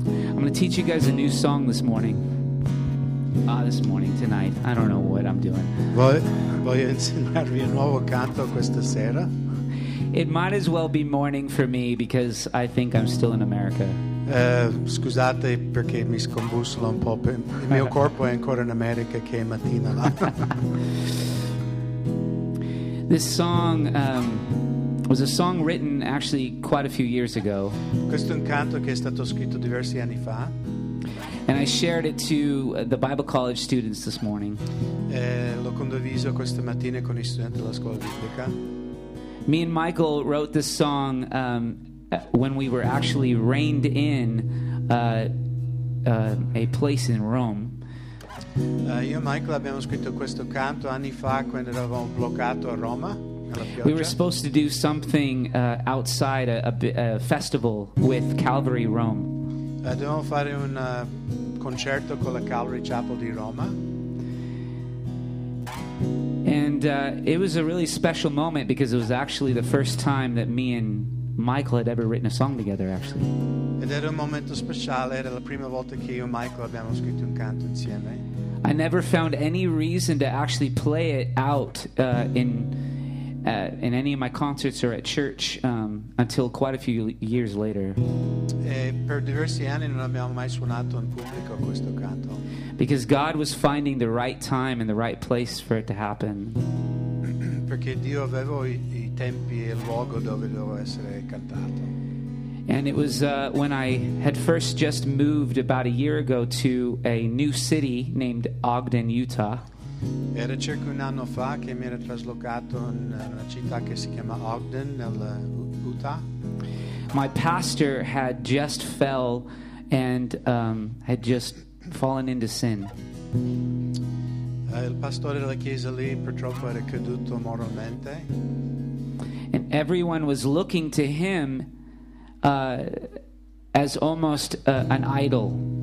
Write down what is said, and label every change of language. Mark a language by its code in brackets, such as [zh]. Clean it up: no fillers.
[en] I'm going to teach you guys a new song this morning. This morning, tonight, I don't know what I'm doing. [it] Voglio insegnarvi un nuovo canto questa sera. [en] It might as well be morning for me because I think I'm still in America. [it] Scusate perché mi scombussolo un po'. Il mio corpo è ancora in America che è mattina là. [en] This song was a song written actually quite a few years ago. [it] Questo è un canto che è stato scritto diversi anni fa. [en] And I shared it to the Bible College students this morning. [it] L'ho condiviso questa mattina con gli studenti della scuola biblica. [en] Me and Michael wrote this song when we were actually reined in a place in Rome. [it] Io e Michael abbiamo scritto questo canto anni fa quando eravamo bloccato a Roma. [en] We were supposed to do something outside a festival with Calvary Rome. [it] Dovevamo fare un concerto con la Calvary Chapel di Roma. [en] And it was a really special moment because it was actually the first time that me and Michael had ever written a song together, actually. [it] Ed era un momento speciale, era la prima volta che io e Michael abbiamo scritto un canto insieme. [en] I never found any reason to actually play it out in any of my concerts or at church until quite a few years later. [it] Per diversi anni non abbiamo mai suonato in pubblico questo canto. [en] Because God was finding the right time and the right place for it to happen. [it] Perché Dio aveva i tempi e il luogo dove doveva essere cantato. [en] And it was when I had first just moved about a year ago to a new city named Ogden, Utah. [it] Era circa un anno fa che mi ero traslocato in una città che si chiama Ogden, nel Utah. [en] My pastor had just fell and had just fallen into sin. [it] Il pastore della chiesa lì purtroppo era caduto moralmente. [en] And everyone was looking to him as almost an idol.